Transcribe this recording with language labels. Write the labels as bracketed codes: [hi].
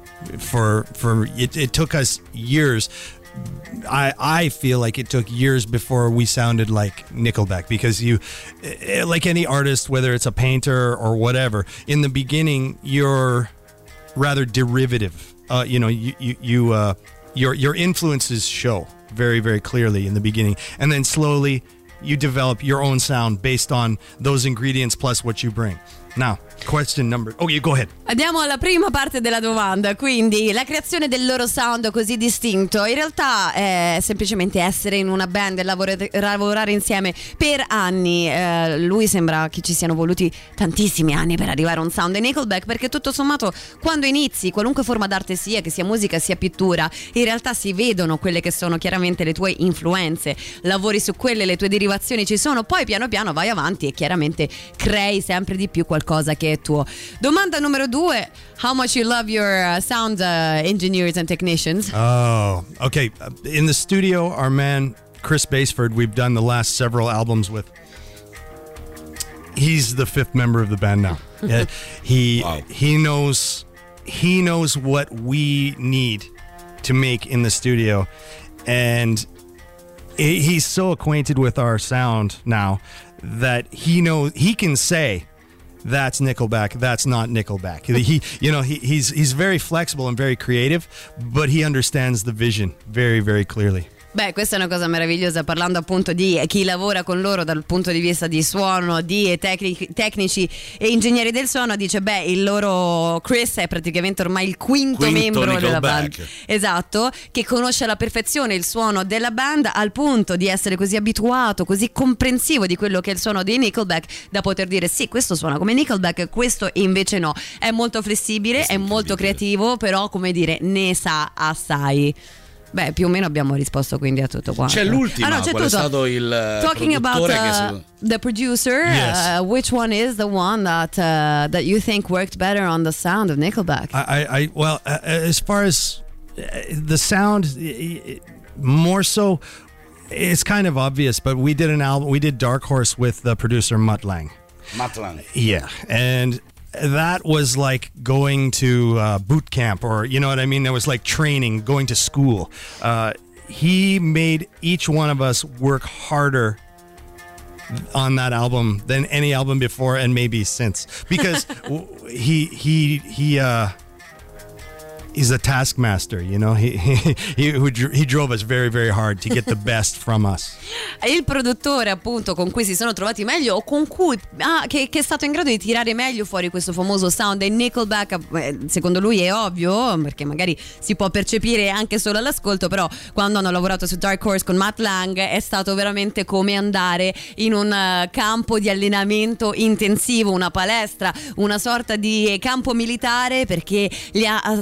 [en] It took us years. I feel like it took years before we sounded like Nickelback, because you, like any artist, whether it's a painter or whatever, in the beginning you're rather derivative. You know, your influences show very, very clearly in the beginning, and then slowly you develop your own sound based on those ingredients plus what you bring. Now, question number... Oh, you go ahead. [it] Andiamo alla prima parte della domanda. Quindi, la creazione del loro sound così distinto, in realtà è semplicemente essere in una band e lavorare insieme per anni. Lui sembra che ci siano voluti tantissimi anni per arrivare a un sound in Nickelback, perché tutto sommato, quando inizi, qualunque forma d'arte sia, che sia musica, sia pittura, in realtà si vedono quelle che sono chiaramente le tue influenze. Lavori su quelle, le tue derivazioni ci sono, poi piano piano vai avanti e chiaramente crei sempre di più qualcosa che è tuo. Domanda numero due: [en] how much you love your sound engineers and technicians? Oh, okay. In the studio, our man Chris Baseford, we've done the last several albums with. He's the fifth member of the band now. he knows what we need to make in the studio, and he's so acquainted with our sound now that he can say. That's Nickelback. That's not Nickelback. He's very flexible and very creative, but he understands the vision very, very clearly. [it] Beh, questa è una cosa meravigliosa, parlando appunto di chi lavora con loro dal punto di vista di suono, di tecnici e ingegneri del suono, dice beh, il loro Chris è praticamente ormai il quinto membro della band. Esatto, che conosce alla perfezione il suono della band al punto di essere così abituato, così comprensivo di quello che è il suono di Nickelback da poter dire sì, questo suona come Nickelback, questo invece no. È molto flessibile, è molto creativo, però come dire, ne sa assai. Beh, più o meno abbiamo risposto quindi a tutto quanto. C'è l'ultima, c'è qual tutto. È stato il [en] Talking [it] produttore [en] about, [it] che [en] the producer, yes. Which one is the one that that you think worked better on the sound of Nickelback? I as far as the sound, more so, it's kind of obvious, but we did an album, we did Dark Horse with the producer Mutt Lange. Mutt Lange. Yeah, and that was like going to boot camp, or you know what I mean? That was like training, going to school. He made each one of us work harder on that album than any album before and maybe since, because he's a taskmaster, you know. He drove us very very hard to get the best from us. [it] Il produttore appunto con cui si sono trovati meglio, o con cui che è stato in grado di tirare meglio fuori questo famoso sound dei Nickelback, secondo lui è ovvio, perché magari si può percepire anche solo all'ascolto, però quando hanno lavorato su Dark Horse con Mutt Lange è stato veramente come andare in un campo di allenamento intensivo, una palestra, una sorta di campo militare, perché li ha